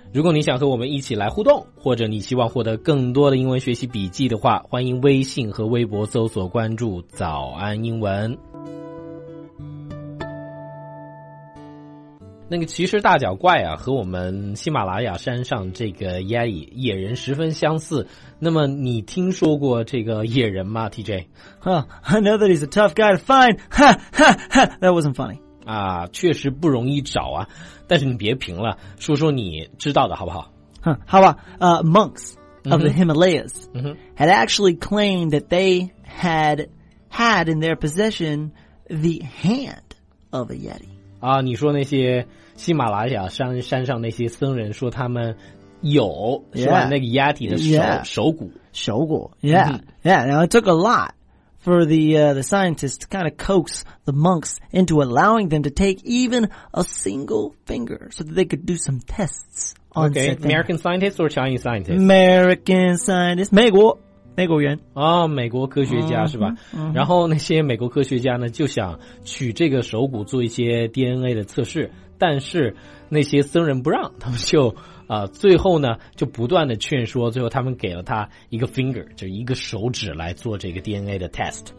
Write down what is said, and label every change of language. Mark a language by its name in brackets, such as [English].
[Chinese] 如果你想和我们一起来互动，或者你希望获得更多的英文学习笔记的话，欢迎微信和微博搜索关注早安英文。那个其实大脚怪啊，和我们喜马拉雅山上这个 Yeti 野人十分相似。那么你听说过这个野人吗 ，TJ？ [English] I know that he's a tough guy to find. That wasn't funny. [Chinese] 确实不容易找啊，但是你别评了，说说你知道的好不好？ [English] 好吧monks of the Himalayas had actually claimed that they had in their possession the hand of a Yeti. [Chinese] 啊，你说那些喜马拉雅山上那些僧人说他们有是吧那个 Yeti 的手骨 [English] Now it took a lot. For the scientists to kind of coax the monks into allowing them to take even a single finger so that they could do some tests on Okay, American scientists or Chinese scientists? American scientists. [Chinese] 美国人。哦，美国科学家是吧？然后那些美国科学家呢，就想取这个手骨做一些 DNA 的测试，但是那些僧人不让，他们就最后呢就不断的劝说，最后他们给了他一个 finger， 就是一个手指来做这个 DNA 的 test。